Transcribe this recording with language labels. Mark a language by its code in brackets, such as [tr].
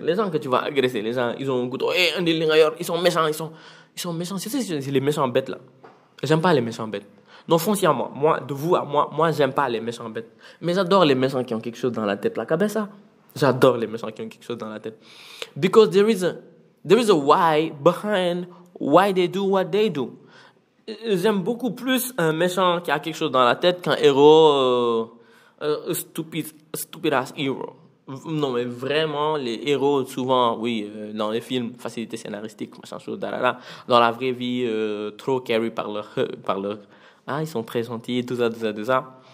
[fr] Les gens que tu vas agresser, les gens, ils ont un couteau. Un délire ailleurs, ils sont méchants, ils sont méchants. C'est les méchants bêtes, là. J'aime pas les méchants bêtes. Non, foncièrement, moi, de vous à moi, moi, j'aime pas les méchants bêtes. Mais j'adore les méchants qui ont quelque chose dans la tête, la cabeça. J'adore les méchants qui ont quelque chose dans la tête. [en] Because there is a why behind why they do what they do. [fr] J'aime beaucoup plus un méchant qui a quelque chose dans la tête qu'un héros, [en] stupid ass hero. [fr] Non, mais vraiment, les héros, souvent, oui, dans les films, facilité scénaristique, machin, chose, dalala. Dans la vraie vie, trop carry par leur. Ah, ils sont très gentils, tout ça.